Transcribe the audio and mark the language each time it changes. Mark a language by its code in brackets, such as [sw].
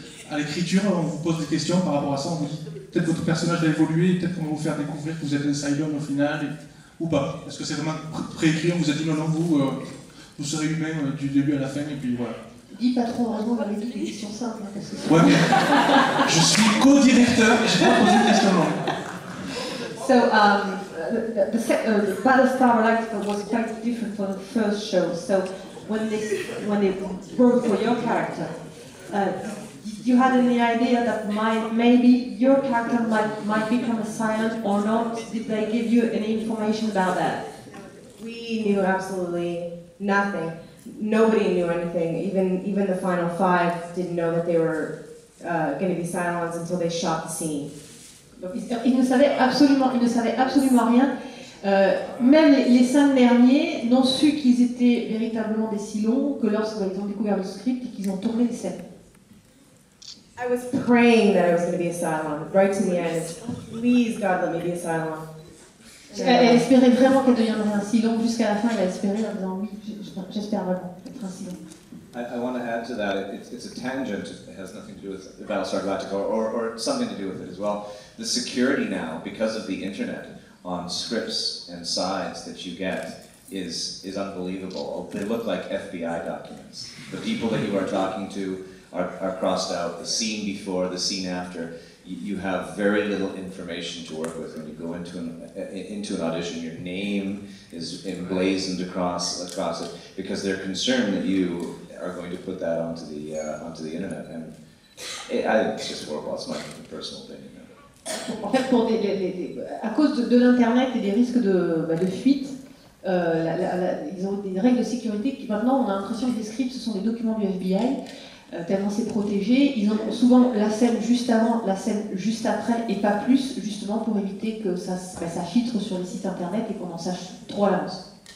[fr] À l'écriture, on vous pose des questions par rapport à ça, on vous dit peut-être que votre personnage va évoluer, peut-être qu'on va vous faire découvrir que vous êtes un Cylon au final, ou pas. Est-ce que c'est vraiment préécrit, on vous a dit non, vous serez humain du début à la fin, et puis voilà. Dis pas trop vraiment, on va mettre des questions simples. Ouais, mais je suis co-directeur, je vais pas poser de questions longues. [en] So, Battlestar Galactica was quite different from the first show, so when they worked for your character, you had any idea that maybe your character might become a Cylon or not? Did they give you any information about that? We knew absolutely nothing. Nobody knew anything. Even the final five didn't know that they were going to be Cylons until they shot the scene. [fr] Ils ne savaient absolument rien. Même les 5 derniers n'ont su qu'ils étaient véritablement des Cylons que lorsqu'ils ont découvert le script et qu'ils ont tourné les scènes. [en] I was praying that I was going to be a Cylon, right to the end. Please, God, let me be a Cylon. [fr] Elle espérait vraiment qu'elle deviendrait un Cylon jusqu'à la fin. Elle espérait en disant oui, j'espère vraiment être un Cylon. [en] I want to add to that, it's a tangent, it has nothing to do with Battlestar Galactica, or something to do with it as well. The security now, because of the internet, on scripts and sides that you get is unbelievable. They look like FBI documents. The people that you are talking to are crossed out, the scene before, the scene after. You have very little information to work with when you go into an audition. Your name is emblazoned across it, because they're concerned that you are going to put that onto the internet, and it's just horrible. It's my personal opinion. [fr] En fait, pour à cause de l'internet et des risques de fuite, ils ont des règles de sécurité qui maintenant on a l'impression que les scripts ce sont des documents du FBI. Tellement c'est protégé, ils ont souvent la scène juste avant, la scène juste après et pas plus, justement pour éviter que ça filtre sur les sites internet et qu'on en sache trop à l'avance.